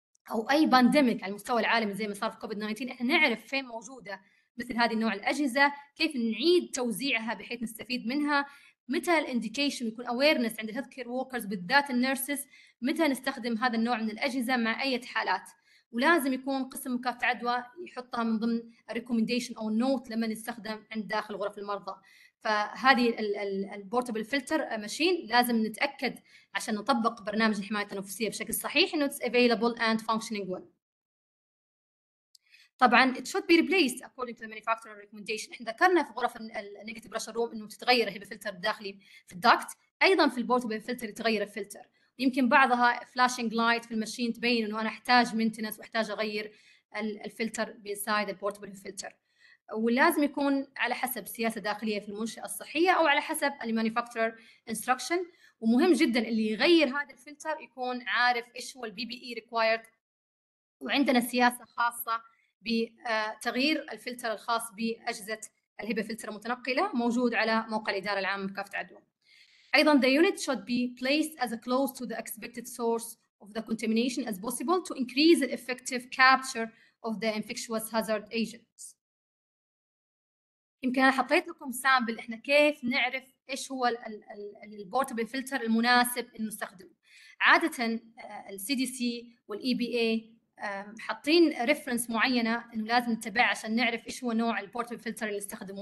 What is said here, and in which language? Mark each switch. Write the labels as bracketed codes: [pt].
[ar] او اي بانديميك على المستوى العالمي زي ما صار في كوفيد 19 احنا نعرف فين موجوده مثل هذه النوع الاجهزه، كيف نعيد توزيعها بحيث نستفيد منها، متى الانديكيشن يكون اويرنس عند الهيلث كير وركرز بالذات النيرسز متى نستخدم هذا النوع من الاجهزه مع اي حالات، ولازم يكون قسم مكافحه عدوى يحطها من ضمن ريكومنديشن او نوت لما نستخدم عند داخل غرف المرضى. فهذه البورتبل فلتر ماشين لازم نتاكد عشان نطبق برنامج الحمايه التنفسيه بشكل صحيح انه [en] It's available and functioning well. طبعا it should be replaced according to the manufacturer recommendation. [ar] احنا ذكرنا في غرف النيجاتيف بريشر روم انه تتغير الهيبا فلتر الداخلي في الدكت، ايضا في البورتبل فلتر يتغير الفلتر، يمكن بعضها فلاشنج لايت في الماشين تبين انه انا احتاج مينتنس واحتاج اغير الفلتر بسايد البورتبل فلتر، ولازم يكون على حسب سياسه داخليه في المنشاه الصحيه او على حسب المانيفاكتشر انستراكشن. ومهم جدا اللي يغير هذا الفلتر يكون عارف ايش هو [en] البي P E required, [ar] وعندنا سياسه خاصه بتغيير الفلتر الخاص بأجهزة الهيبا فلتر المتنقلة موجود على موقع الإدارة العامة لمكافحة العدوى. [en] أيضا the unit should be placed as close to the expected source of the contamination as possible to increase the effective capture of the infectious hazard agents. [ar] يمكن أنا حطيت لكم سامبل إحنا كيف نعرف إيش هو البورتبل فلتر المناسب إنه نستخدمه. عادة الـ CDC والـ EBA حاطين ريفرنس معينه انه لازم نتبعه عشان نعرف ايش هو نوع البورتبل فلتر اللي نستخدمه.